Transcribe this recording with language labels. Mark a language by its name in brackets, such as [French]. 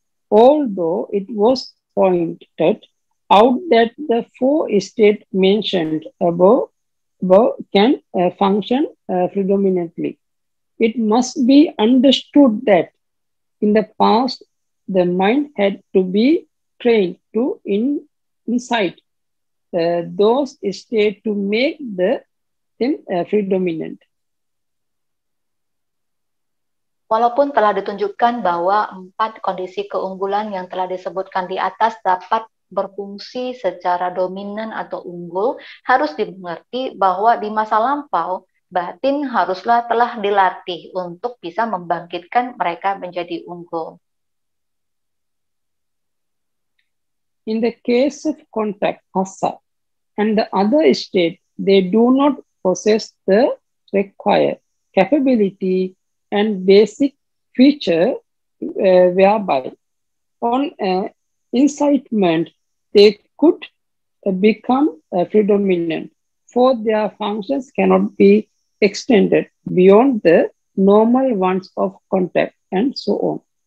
[English] Although it was pointed out that the four states mentioned above can function predominantly, it must be understood that in the past, the mind had to be trained to incite those states to make them predominant. [Indonesian] Walaupun telah ditunjukkan bahwa empat kondisi keunggulan yang telah disebutkan di atas dapat berfungsi secara dominan atau unggul, harus dimengerti bahwa di masa lampau, batin haruslah telah dilatih untuk bisa membangkitkan mereka menjadi unggul. [English] In the case of contact, asa, and the other state, they do not possess the required capability and basic feature whereby on incitement they could become predominant, for their functions cannot be extended beyond the normal ones of contact and so on.